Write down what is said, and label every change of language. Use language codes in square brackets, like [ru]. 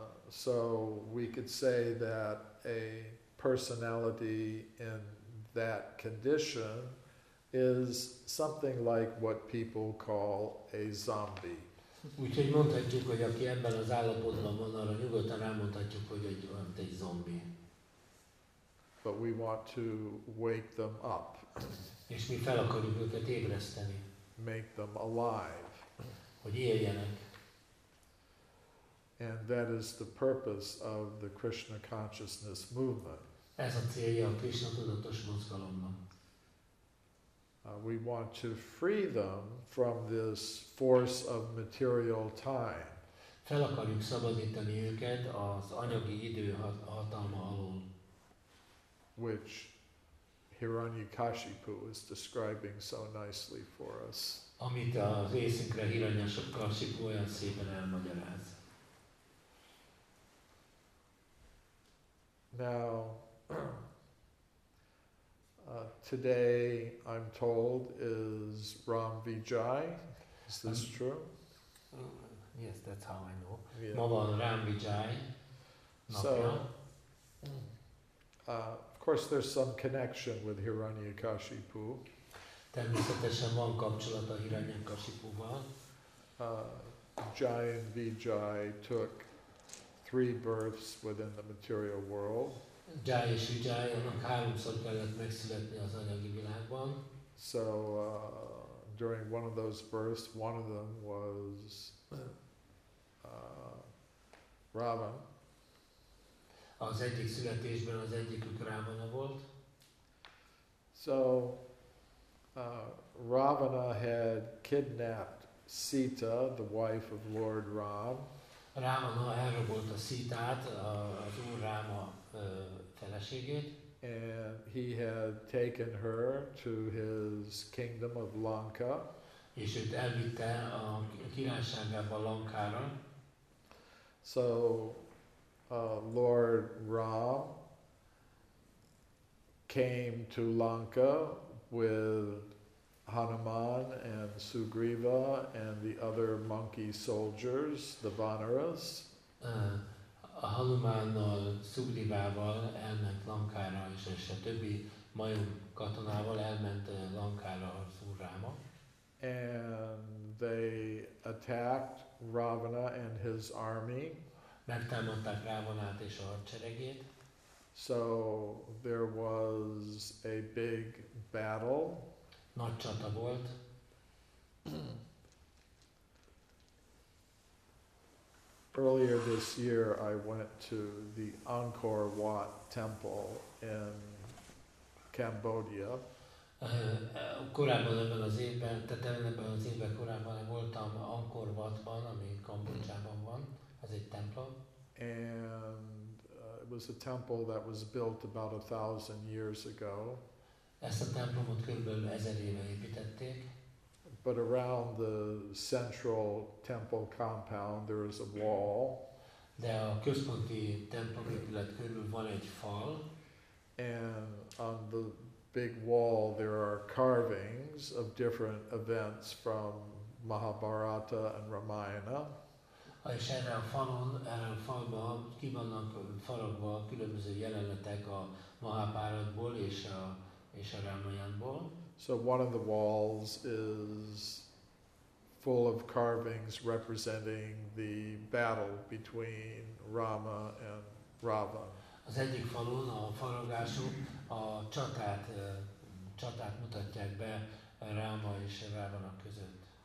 [en] So we could say that a personality in that condition is something like what people call a zombie. [hu] Úgyhogy mondhatjuk, hogy aki ebben az állapotban van, arra nyugodtan elmondhatjuk, hogy egy zombi. [en] But we want to wake them up. [hu] És mi fel akarjuk őket ébreszteni. [en] Make them alive. [hu] Hogy éljenek. [en] And that is the purpose of the Krishna consciousness movement. [hu] Ez a célja a Krishna tudatos mozgalomnak. [en] We want to free them from this force of material time. [hu] Fel akarjuk szabadítani őket az anyagi idő hatalma alól. [en] Which Hiranyakashipu is describing so nicely for us. [hu] Amit a részünkre Hiranyakashipu olyan szépen elmagyaráz. [en] Now, today I'm told is Ram Vijay. Is this true? Yes, that's how I know. Yeah. [hu] Ma van Ram Vijay. [en] So, of course, there's some connection with Hiranyakashipu. [hu] Természetesen van kapcsolat a Hiranyakashipuval. [en] Jai and Vijay took 3 births within the material world. [hu] Jai és Vijay, annak háromszor kellett megszületni az anyagi világban. [en] So, during one of those births, one of them was Ravan. [hu] Az egyik születésben az egyikük Ravana volt. [en] So, Ravana had kidnapped Sita, the wife of Lord Ram. [hu] Ravana elrabolt a Sitát, az Úr Ráma feleségét. [en] And he had taken her to his kingdom of Lanka. [hu] És őt elvitte a királyságába Lankára. [en] So, Lord Ram came to Lanka with Hanuman and Sugriva and the other monkey soldiers, the Vanaras. [hu] Hanumannal, Sugrivával elment Lankára, és a többi majom katonával elment Lankára az Úr Ráma. [en] And they attacked Ravana and his army. [hu] Megtámadták Ravanát és a hadseregét. [en] So there was a big battle. [hu] Nagy csata volt. [en] Earlier this year I went to the Angkor Wat temple in Cambodia. [hu] Korábban ebben az évben, tehát ebben az évben korábban voltam Angkor Watban, ami Kambodzsában van, az egy templom. [en] And it was a temple that was built about 1,000 years ago. [hu] Ezt a templomot körülbelül 1000 éve építették. [en] But around the central temple compound there is a wall. [hu] De a központi templomépület körül van egy fal. [en] And on the big wall there are carvings of different events from Mahabharata and Ramayana. [hu] És erre a falon, erre a falba ki vannak faragva különböző jelenetek a Mahabharatból és a Ramayanból. [en] So one of the walls is full of carvings representing the battle between Rama and Ravana. [hu] Az egyik falon a faragások a csatát csatát mutatják be Rama és Ravana között.